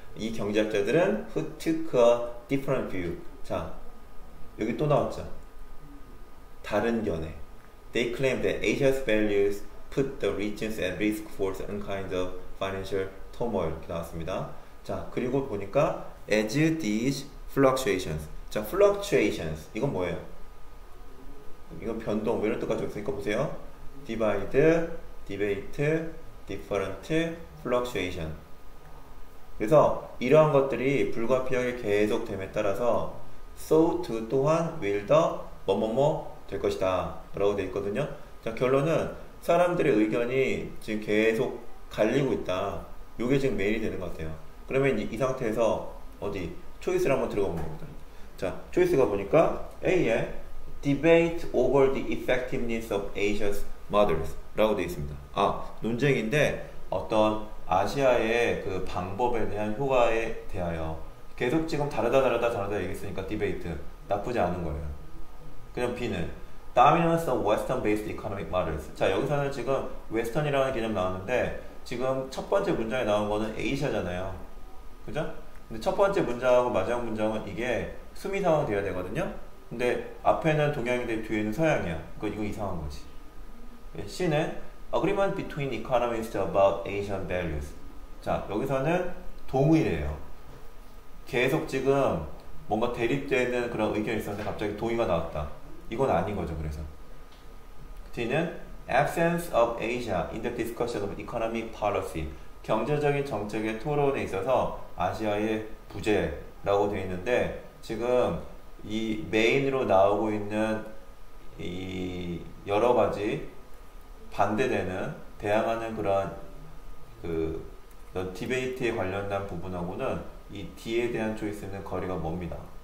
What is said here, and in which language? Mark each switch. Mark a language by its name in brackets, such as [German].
[Korean] 이 경제학자들은 [English] who took a different view. [Korean] 자, 여기 또 나왔죠. 다른 견해. [English] They claim that Asia's values put the regions at risk for certain kinds of financial turmoil. [Korean] 이렇게 나왔습니다. 자, 그리고 보니까 [English] as these fluctuations. [Korean] 자, fluctuations. 이건 뭐예요? 이건 변동, 이런 뜻 가지고 있으니까 보세요. [English] Divide, debate, different, fluctuation. [Korean] 그래서 이러한 것들이 불가피하게 계속 됨에 따라서 so to 또한 will the 뭐뭐뭐 될 것이다 라고 되어 있거든요. 자, 결론은 사람들의 의견이 지금 계속 갈리고 있다. 요게 지금 메인이 되는 것 같아요. 그러면 이 상태에서 어디 초이스를 한번 들어가 보는 겁니다. 자, 초이스가 보니까 A에 [English] Debate over the effectiveness of Asia's models [Korean] 라고 되어 있습니다. 아, 논쟁인데 어떤 아시아의 그 방법에 대한 효과에 대하여 계속 지금 다르다 다르다 다르다 얘기했으니까 디베이트 나쁘지 않은 거예요. 그냥 B는 [English] Dominance of Western based economic models. [Korean] 자, 여기서는 지금 웨스턴이라는 개념 나왔는데 지금 첫 번째 문장에 나온 거는 에이시아잖아요. 그죠? 근데 첫 번째 문장하고 마지막 문장은 이게 수미상황 되어야 되거든요. 근데 앞에는 동양인데 뒤에는 서양이야. 그러니까 이거 이상한 거지. [English] C는 agreement between economists about Asian values. [Korean] 자, 여기서는 동의래요. 계속 지금 뭔가 대립되는 그런 의견이 있었는데 갑자기 동의가 나왔다. 이건 아닌 거죠, 그래서. [English] D는 absence of Asia in the discussion of economic policy. [Korean] 경제적인 정책의 토론에 있어서 아시아의 부재라고 되어 있는데 지금 이 메인으로 나오고 있는 이 여러 가지 반대되는, 대항하는 그러한 그 디베이트에 관련된 부분하고는 이 D에 대한 초이스는 거리가 멉니다.